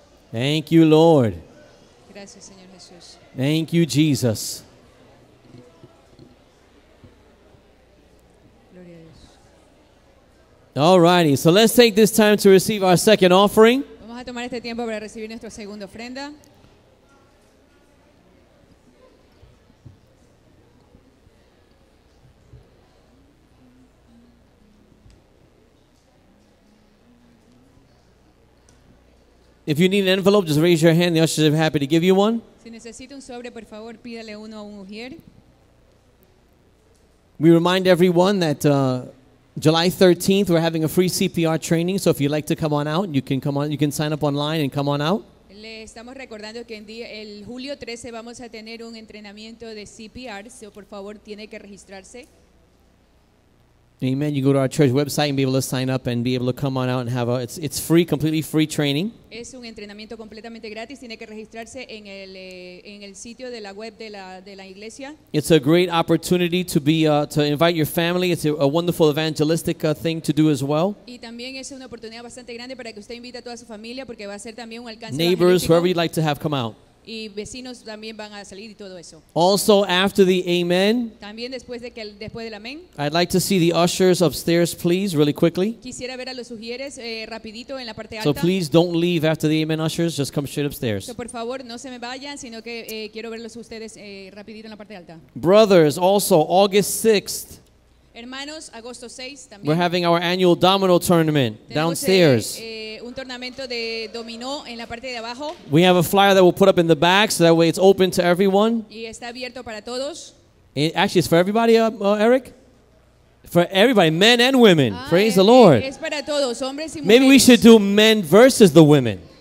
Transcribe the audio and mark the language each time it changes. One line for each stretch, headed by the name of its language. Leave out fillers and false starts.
English: Thank you, Lord.
Spanish: Gracias, Señor Jesús.
English: Thank you, Jesus.
Spanish: Gloria a Dios.
English: All righty. So let's take this time to receive our second offering.
Spanish: Vamos a tomar este tiempo para recibir nuestra segunda ofrenda.
English: If you need an envelope, just raise your hand. The ushers are happy to give you one.
Spanish: Si necesita un sobre, por favor, pídale uno a un mujer.
English: We remind everyone that July 13th, we're having a free CPR training. So if you'd like to come on out, you can come on. You can sign up online and come on out.
Spanish: Le estamos recordando que en día, el julio 13 vamos a tener un entrenamiento de CPR. So por favor, tiene que registrarse.
English: Amen. You go to our church website and be able to sign up and be able to come on out and have a, it's free, completely free training.
Spanish: Es un entrenamiento completamente gratis. Tiene que registrarse en el sitio de la web de la iglesia.
English: It's a great opportunity to be to invite your family. It's a wonderful evangelistic thing to do as well.
Spanish: Y también es una oportunidad bastante grande para que usted invite a toda su familia porque va a ser también un alcance.
English: Neighbors, whoever you'd like to have come out.
Spanish: Y vecinos también van a salir y todo eso.
English: Also, after the amen,
Spanish: también después del amén,
English: I'd like to see the ushers upstairs, please, really quickly.
Spanish: Quisiera ver a los ushers rapidito en la parte alta.
English: So please don't leave after the amen, ushers. Just come straight upstairs.
Spanish: So, por favor, no se me vayan, sino que quiero verlos ustedes rapidito en la parte alta.
English: Brothers, also, August 6th,
Spanish: hermanos, agosto 6, también.
English: We're having our annual domino tournament downstairs.
Spanish: Un tornamento de dominó en la parte de abajo.
English: We have a flyer that we'll put up in the back so that way it's open to everyone.
Spanish: Y está abierto para todos.
English: Actually, it's for everybody, Eric. For everybody, men and women. Praise the Lord.
Spanish: Es para todos, hombres y mujeres.
English: Maybe we should do men versus the women.